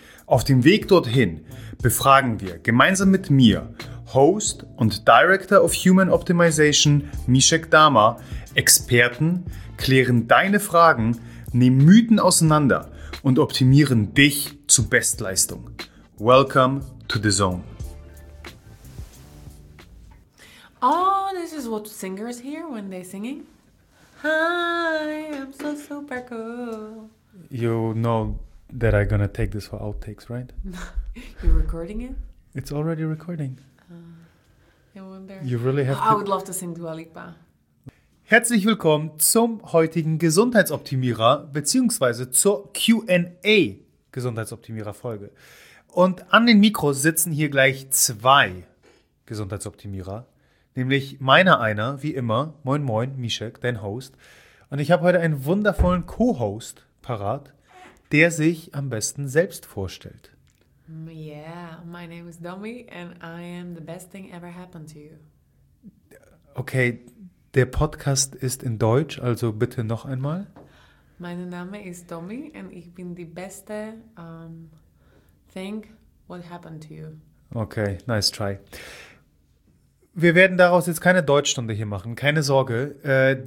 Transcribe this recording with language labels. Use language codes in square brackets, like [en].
[de] Auf dem Weg dorthin befragen wir gemeinsam mit mir, Host und Director of Human Optimization, Mishek Dama, Experten, klären deine Fragen, nehmen Mythen auseinander und optimieren dich zu Bestleistung. [en] Welcome to the Zone. Oh, this is what singers hear when they're singing. Hi, I'm so super cool. You know that I'm gonna take this for outtakes, right? You're recording it? It's already recording. I wonder. You really have I would love to sing Dua Lipa. [de] Herzlich willkommen zum heutigen Gesundheitsoptimierer bzw. zur Q&A Gesundheitsoptimierer-Folge. Und an den Mikros sitzen hier gleich 2 Gesundheitsoptimierer. Nämlich meiner einer, wie immer, moin moin, Mishek, dein Host. Und ich habe heute einen wundervollen Co-Host parat, der sich am besten selbst vorstellt. [en] Yeah, my name is Domi and I am the best thing ever happened to you. [de] Okay, der Podcast ist in Deutsch, also bitte noch einmal. Mein Name ist Domi und ich bin die beste [en] thing what happened to you. Okay, nice try. [de] Wir werden daraus jetzt keine Deutschstunde hier machen, keine Sorge.